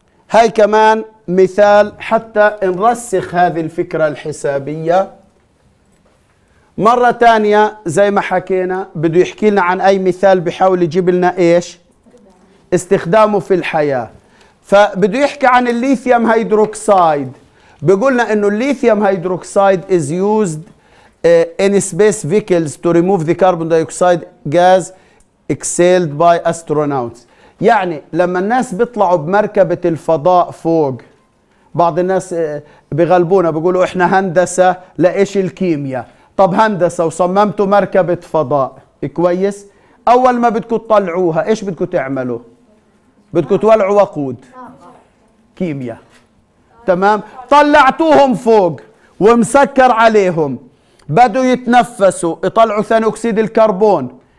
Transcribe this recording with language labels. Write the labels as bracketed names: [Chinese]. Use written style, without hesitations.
[Arabic] هاي كمان مثال حتى نرسخ هذه الفكرة الحسابية. مرة تانية زي ما حكينا بده يحكي لنا عن أي مثال بيحاول يجيب لنا إيش استخدامه في الحياة. فبده يحكي عن الليثيوم هيدروكسايد. بيقولنا إنه الليثيوم هيدروكسايد [English] is used in space vehicles to remove the carbon dioxide gas exhaled by astronauts. [Arabic] يعني لما الناس بيطلعوا بمركبة الفضاء فوق، بعض الناس بغلبونا بيقولوا إحنا هندسة لإيش الكيمياء. طب هندسة وصممتوا مركبة فضاء كويس، أول ما بدكوا تطلعوها إيش بدكوا تعملوا؟ بدكوا تولعوا وقود كيمياء، تمام؟ طلعتوهم فوق ومسكر عليهم، بدوا يتنفسوا يطلعوا ثاني أكسيد الكربون.